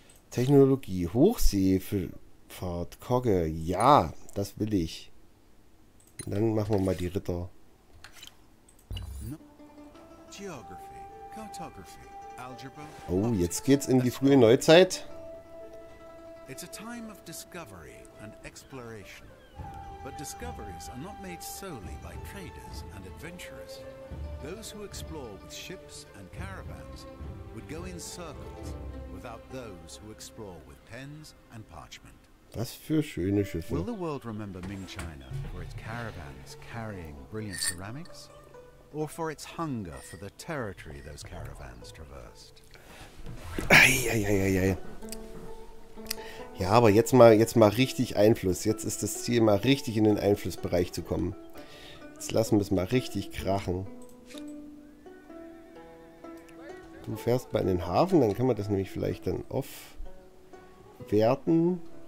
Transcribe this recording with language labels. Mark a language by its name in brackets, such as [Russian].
[German] Technologie. Hochseefahrt. Kogge. Ja, das will ich. Und dann machen wir mal die Ritter. [English] Geography. Cartography. [German] Oh, jetzt geht's in die frühe Neuzeit. [English] It's a time of discovery and exploration. But discoveries are not made solely by traders and adventurers. Those who explore with ships and caravans would go in circles without those who explore with pens and parchment. [German] Was für schöne Schiffe. [English] Will the world remember Ming China for its caravans carrying brilliant ceramics? Or for its hunger for the territory those caravans traversed. [German] Eieieiei. Ja, aber jetzt mal richtig Einfluss. Jetzt ist das Ziel, mal richtig in den Einflussbereich zu kommen. Jetzt lassen wir es mal richtig krachen. Du fährst mal in den Hafen, dann kann man das nämlich vielleicht dann aufwerten.